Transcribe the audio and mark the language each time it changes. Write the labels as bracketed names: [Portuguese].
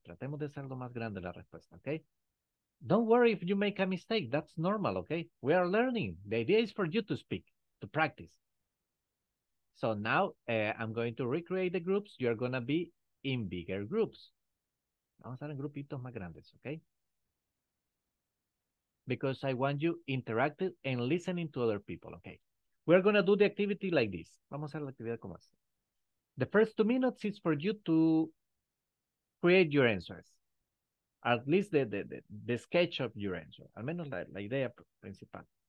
[Spanish] Tratemos de ser lo más grande la respuesta, okay? [English] Don't worry if you make a mistake. That's normal, okay? We are learning. The idea is for you to speak, to practice. So now I'm going to recreate the groups. You're going to be in bigger groups. [Spanish] Vamos a estar en grupitos más grandes, okay? [English] Because I want you interactive and listening to other people, okay? We're going to do the activity like this. [Spanish] Vamos a hacer la actividad como así. [English] The first 2 minutes is for you to create your answers, at least the sketch of your answer, [Spanish] al menos la idea principal.